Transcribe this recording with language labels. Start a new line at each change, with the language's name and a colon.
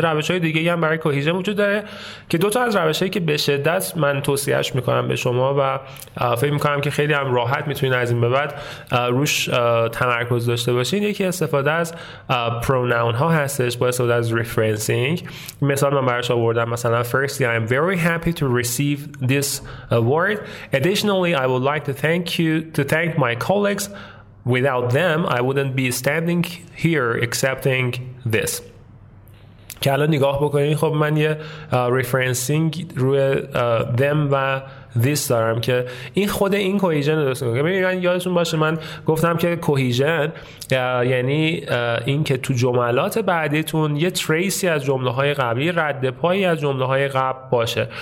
Persian: روش‌های دیگه‌ای هم برای کوهیژن وجود داره که دوتا از روش‌هایی که به شدت من توصیه‌اش می‌کنم به شما و فکر می‌کنم که خیلی هم راحت می‌تونین از این به بعد روش تمرکز داشته باشین، یکی استفاده از پروناون‌ها هستش با استفاده از referencing. مثال من براش آوردم مثلا
English: firstly I am very happy to receive this award. Additionally I would like to thank my colleagues. Without them I wouldn't be standing here accepting this.
Persian: که الان نگاه بکنید خب من یه referencing روی them و this دارم که این خود این کوهیژن رو درست کنم. یادتون باشه من گفتم که کوهیژن یعنی این که تو جملات بعدیتون یه تریسی از جمله های قبلی، رد پایی از جمله های قبل باشه.